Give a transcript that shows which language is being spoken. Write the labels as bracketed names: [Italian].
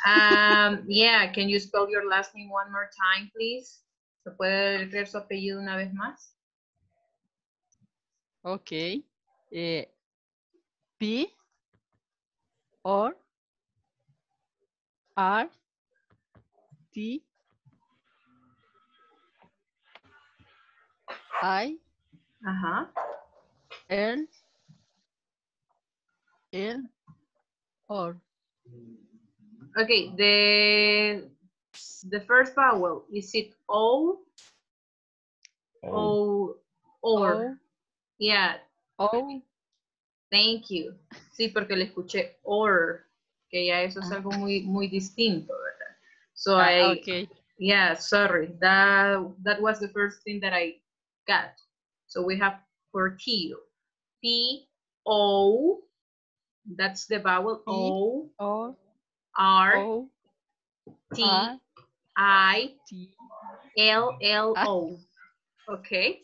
[English] Yeah, can you spell your last name one more time, please? [Spanish] ¿Se puede leer su apellido una vez más? [English] Okay. P O R T I. Uh-huh. L, or. Okay, the first vowel, is it O? O. Or. O. Yeah. O. Thank you. [Spanish] Sí, porque le escuché or. que ya eso es algo muy, muy distinto, ¿verdad? [English] So yeah, sorry. That was the first thing that I got. So we have portillo. P-O, that's the vowel. O-R-T-I-L-L-O. Okay.